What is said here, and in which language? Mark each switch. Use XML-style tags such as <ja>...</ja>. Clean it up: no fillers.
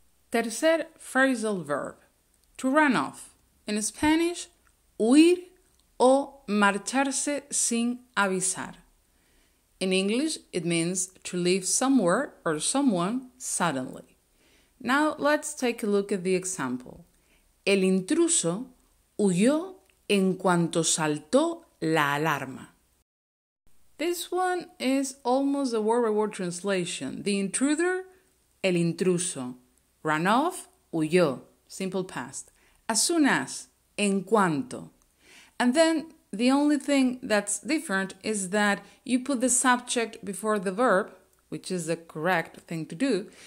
<en>Tercer phrasal verb, to run off. In Spanish,</en> <es>huir o marcharse sin avisar.</es> <en>In English, it means to leave somewhere or someone suddenly. Now, let's take a look at the example.</en> <es>El intruso huyó en cuanto saltó la alarma.</es> <en>This one is almost a word-by-word translation. The intruder,</en> <es>el intruso.</es> <en>Ran off, huyó. Simple past. As soon as,</en> <es>en cuanto.</es> <en>And then the only thing that's different is that you put the subject before the verb, which is the correct thing to do.</en>